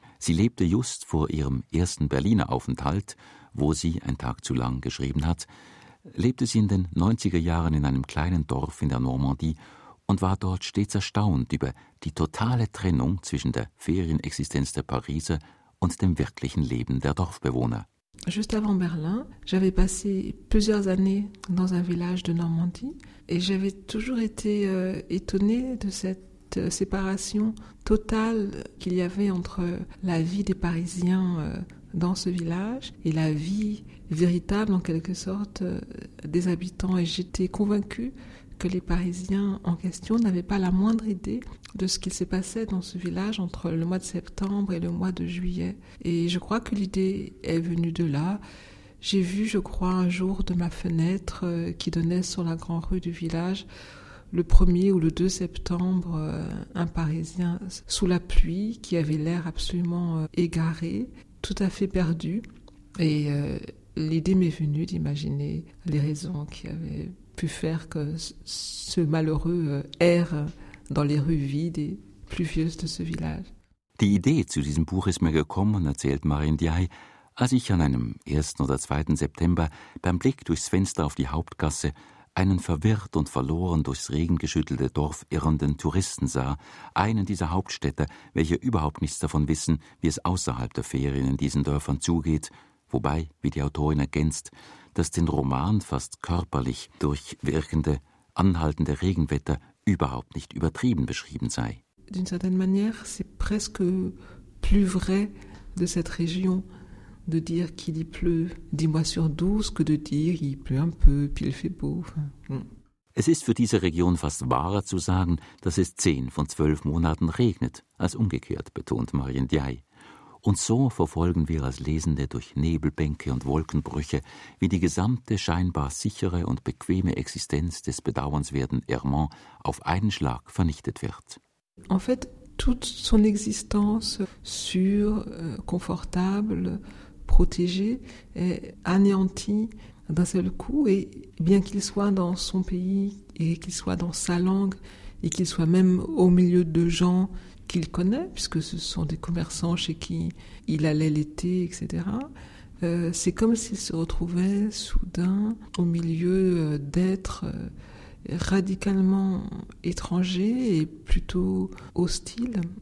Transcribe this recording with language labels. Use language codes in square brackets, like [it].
[de] Sie lebte just vor ihrem ersten Berliner Aufenthalt, wo sie Ein Tag zu lang geschrieben hat, lebte sie in den 90er Jahren in einem kleinen Dorf in der Normandie und war dort stets erstaunt über die totale Trennung zwischen der Ferienexistenz der Pariser und dem wirklichen Leben der Dorfbewohner. [fr] Juste avant Berlin, j'avais passé plusieurs années dans un village de Normandie et j'avais toujours été étonnée de cette séparation totale qu'il y avait entre la vie des Parisiens dans ce village et la vie véritable, en quelque sorte, des habitants. Et j'étais convaincue que les Parisiens en question n'avaient pas la moindre idée de ce qu'il se passait dans ce village entre le mois de septembre et le mois de juillet. Et je crois que l'idée est venue de là. J'ai vu, je crois, un jour de ma fenêtre qui donnait sur la grande rue du village, le 1er ou le 2 septembre, un Parisien sous la pluie qui avait l'air absolument égaré, tout à fait perdu. Et l'idée m'est venue d'imaginer les raisons qui avaient pu faire que ce malheureux erre dans les rues vides et pluvieuses de ce village. [de] Die Idee zu diesem Buch ist mir gekommen, erzählt Marien Diay, als ich an einem 1. oder 2. September beim Blick durchs Fenster auf die Hauptgasse einen verwirrt und verloren durchs regengeschüttelte Dorf irrenden Touristen sah, einen dieser Hauptstädter, welche überhaupt nichts davon wissen, wie es außerhalb der Ferien in diesen Dörfern zugeht, wobei, wie die Autorin ergänzt, das den Roman fast körperlich durchwirkende, anhaltende Regenwetter überhaupt nicht übertrieben beschrieben sei. [fr] D'une certaine manière, c'est presque plus vrai de cette région de dire qu'il y pleut 10 mois sur 12 que de dire il pleut un peu, puis il fait beau. [de] Es ist für diese Region fast wahrer zu sagen, dass es 10 von 12 Monaten regnet, als umgekehrt, betont Marien Diay. Und so verfolgen wir als Lesende durch Nebelbänke und Wolkenbrüche, wie die gesamte scheinbar sichere und bequeme Existenz des bedauernswerten Hermann auf einen Schlag vernichtet wird. [fr] En fait, toute son existence sûre, confortable, protégée, est anéantie d'un seul coup. Et bien qu'il soit dans son pays et qu'il soit dans sa langue et qu'il soit même au milieu de gens qu'il connaît, puisque ce sont des commerçants chez qui il allait l'été, etc., c'est comme s'il se retrouvait soudain au milieu d'êtres radicalement étrangers et plutôt hostiles.